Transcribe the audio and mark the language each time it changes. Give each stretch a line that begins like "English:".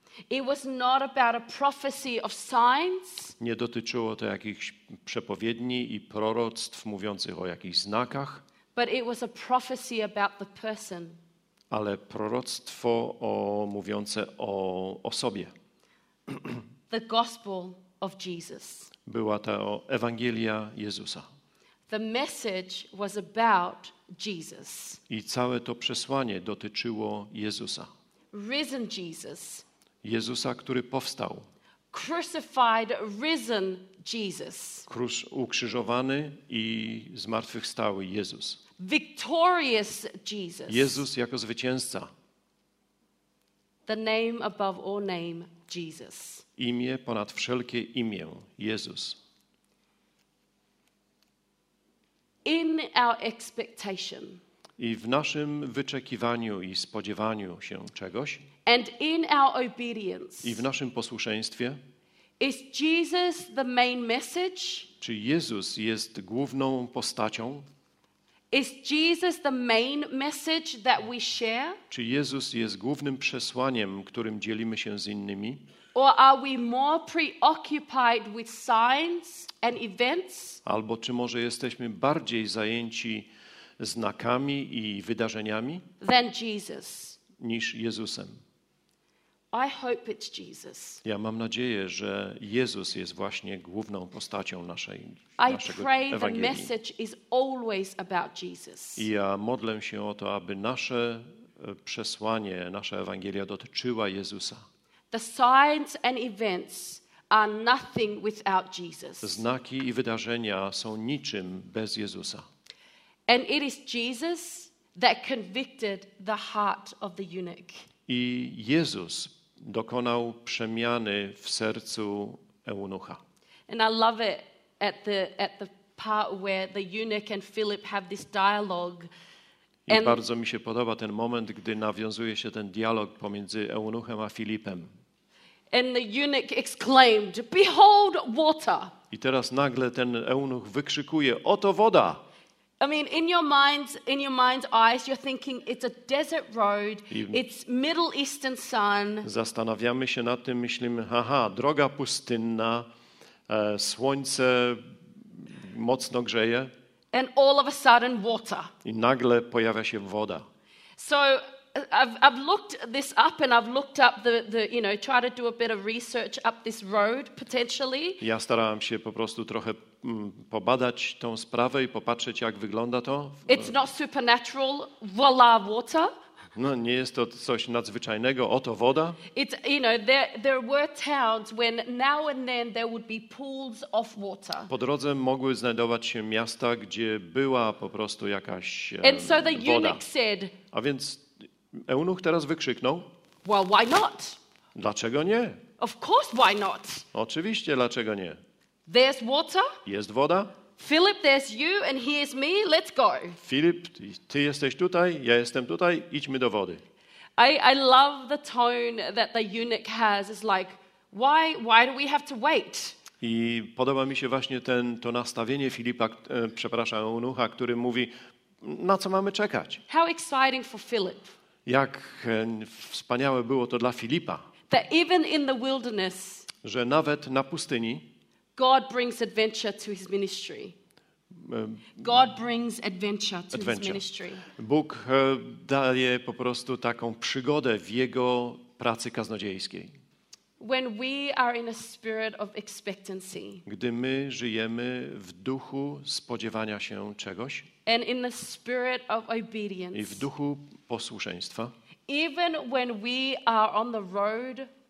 English: It was not about a prophecy of signs,
Polish: nie dotyczyło to jakichś przepowiedni i proroctw mówiących o jakichś znakach,
English: but it was a prophecy about the person.
Polish: Ale proroctwo o, mówiące o osobie.
English: The gospel of Jesus.
Polish: Była to Ewangelia Jezusa.
English: The message was about Jesus.
Polish: I całe to przesłanie dotyczyło Jezusa.
English: Risen Jesus.
Polish: Jezusa, który powstał.
English: Crucified, risen Jesus.
Polish: Ukrzyżowany i zmartwychwstały Jezus.
English: Victorious Jesus.
Polish: Jezus jako zwycięzca.
English: The name above all name, Jesus.
Polish: Imię ponad wszelkie imię, Jezus.
English: In our expectation.
Polish: I w naszym wyczekiwaniu i spodziewaniu się czegoś.
English: And in our obedience.
Polish: I w naszym posłuszeństwie.
English: Is Jesus the main message?
Polish: Czy Jezus jest główną postacią?
English: Is Jesus the main message that we share?
Polish: Czy Jezus jest głównym przesłaniem, którym dzielimy się z innymi?
English: Or are we more preoccupied with signs and events?
Polish: Albo czy może jesteśmy bardziej zajęci znakami i wydarzeniami?
English: Than Jesus.
Polish: Niż Jezusem.
English: I hope it's Jesus.
Polish: Ja mam nadzieję, że Jezus jest właśnie główną postacią naszej Ewangelii.
English: The message is always about Jesus.
Polish: I ja modlę się o to, aby nasze przesłanie, nasza Ewangelia dotyczyła Jezusa.
English: The signs and events are nothing without Jesus.
Polish: Znaki i wydarzenia są niczym bez Jezusa.
English: And it is Jesus that convicted the heart of the eunuch.
Polish: I Jezus dokonał przemiany w sercu eunucha.
English: And I love it at the part where the eunuch and Philip have this dialogue.
Polish: I bardzo mi się podoba ten moment, gdy nawiązuje się ten dialog pomiędzy eunuchem a Filipem.
English: And the eunuch exclaimed, "Behold water."
Polish: I teraz nagle ten eunuch wykrzykuje: "Oto woda."
English: I mean, in your mind's eyes, you're thinking it's a desert road, it's Middle Eastern sun.
Polish: Zastanawiamy się nad tym, myślimy, aha, droga pustynna, słońce mocno grzeje.
English: And all of a sudden, water.
Polish: I nagle pojawia się woda.
English: So I've looked this up and I've looked up the you know, try to do a bit of research up this road potentially.
Polish: Ja starałam się po prostu trochę pobadać tą sprawę i popatrzeć, jak wygląda to.
English: It's not supernatural. Voila, water.
Polish: No, nie jest to coś nadzwyczajnego. Oto woda.
English: It's, you know, there were towns when now and then there would be pools of water.
Polish: Po drodze mogły znajdować się miasta, gdzie była po prostu jakaś woda.
English: And so the eunuch said.
Polish: A więc eunuch teraz wykrzyknął.
English: Well, why not?
Polish: Dlaczego nie?
English: Of course, why not?
Polish: Oczywiście, dlaczego nie?
English: There's water.
Polish: Jest woda.
English: Philip, there's you and here's me. Let's go.
Polish: Filip, ty jesteś tutaj, ja jestem tutaj. Idźmy do wody.
English: I love the tone that the eunuch has. It's like, why do we have to wait?
Polish: I podoba mi się właśnie to nastawienie Filipa, przepraszam, eunucha, który mówi, na co mamy czekać?
English: How exciting for Philip.
Polish: Jak wspaniałe było to dla Filipa.
English: That even in the wilderness,
Polish: że nawet na pustyni,
English: God brings adventure to his ministry. God brings adventure to his ministry.
Polish: Bóg daje po prostu taką przygodę w jego pracy kaznodziejskiej.
English: When we are in a spirit of expectancy.
Polish: Gdy my żyjemy w duchu spodziewania się czegoś.
English: And in the spirit of obedience.
Polish: I w duchu posłuszeństwa.
English: Even when we are on the road.